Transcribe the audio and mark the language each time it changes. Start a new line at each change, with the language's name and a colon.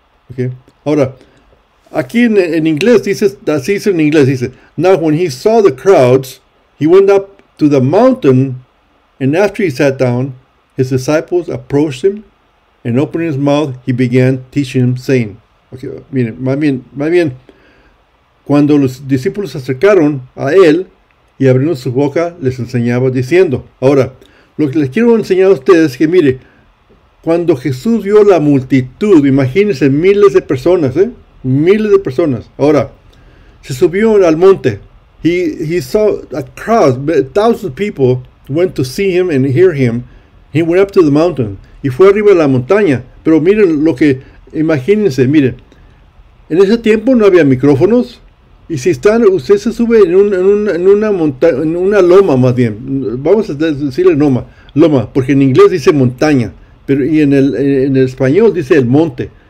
English: Okay?
Spanish: Ahora, aquí en inglés dice, así dice en inglés, dice:
English: Now, when he saw the crowds, he went up to the mountain, and after he sat down, his disciples approached him, and opening his mouth, he began teaching him, saying, Okay,
Spanish: miren, más bien, cuando los discípulos se acercaron a él y abrieron su boca, les enseñaba diciendo. Ahora, lo que les quiero enseñar a ustedes es que, mire, cuando Jesús vio la multitud, imagínense miles de personas, ¿eh? Miles de personas. Ahora, se subió al monte.
English: He saw a crowd, thousands of people went to see him and hear him. He went up to the mountain.
Spanish: Y fue arriba de la montaña. Pero miren lo que. Imagínense, miren, en ese tiempo no había micrófonos y si están, usted se sube en una loma más bien, vamos a decirle loma, porque en inglés dice montaña, pero y en el español dice el monte.